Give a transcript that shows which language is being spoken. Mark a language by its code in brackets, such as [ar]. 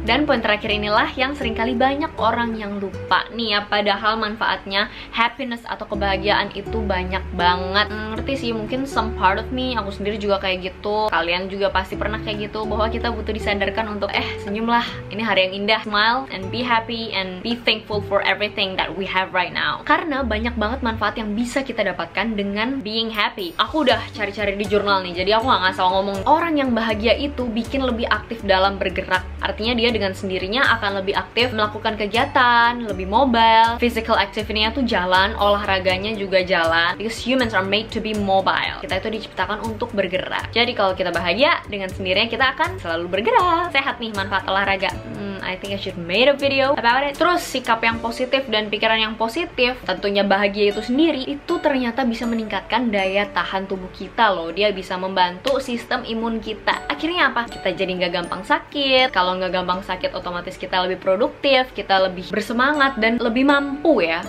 [id] Dan poin terakhir inilah yang seringkali banyak orang yang lupa nih ya, padahal manfaatnya happiness atau kebahagiaan itu banyak banget. banget. Ngerti sih, mungkin [en] some part of me, [id] aku sendiri juga kayak gitu. Kalian juga pasti pernah kayak gitu, bahwa kita butuh disadarkan untuk senyumlah, ini hari yang indah. [en] Smile and be happy and be thankful for everything that we have right now. [id] Karena banyak banget manfaat yang bisa kita dapatkan dengan [en] being happy. [id] Aku udah cari-cari di jurnal nih, jadi aku gak ngasal ngomong. Orang yang bahagia itu bikin lebih aktif dalam bergerak. Artinya dia dengan sendirinya akan lebih aktif melakukan kegiatan, lebih mobile, physical activity-nya tuh jalan, olahraganya juga jalan. [en] Because humans are made to be mobile. [id] Kita itu diciptakan untuk bergerak. Jadi kalau kita bahagia, dengan sendirinya kita akan selalu bergerak. Sehat nih manfaat olahraga. [en] I think I should make a video about it. [id] Terus sikap yang positif dan pikiran yang positif, tentunya bahagia itu sendiri, itu ternyata bisa meningkatkan daya tahan tubuh kita loh. Dia bisa membantu sistem imun kita. Akhirnya apa? Kita jadi nggak gampang sakit. Kalau nggak gampang sakit, otomatis kita lebih produktif, kita lebih bersemangat dan lebih mampu ya.